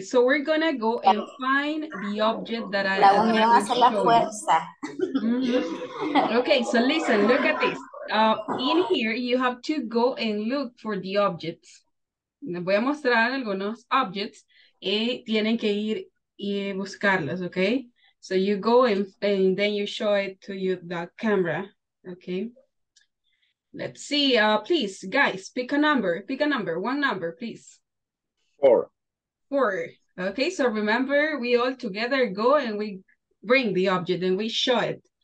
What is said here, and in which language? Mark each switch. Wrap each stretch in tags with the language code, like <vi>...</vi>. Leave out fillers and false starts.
<en>So we're gonna go and find the object that I am gonna show</en> <es>la fuerza.</es> <en>Okay, so listen, look at this. In here, you have to go and look for the objects.</en> <es>Les voy a mostrar algunos objects y tienen que ir y buscarlos, okay?</es> <en>So you go and then you show it to you the camera, okay? Let's see, please, guys, pick a number, one number, please. Four. Four. Okay, so remember, we all together go and we bring the object and we show it.</en>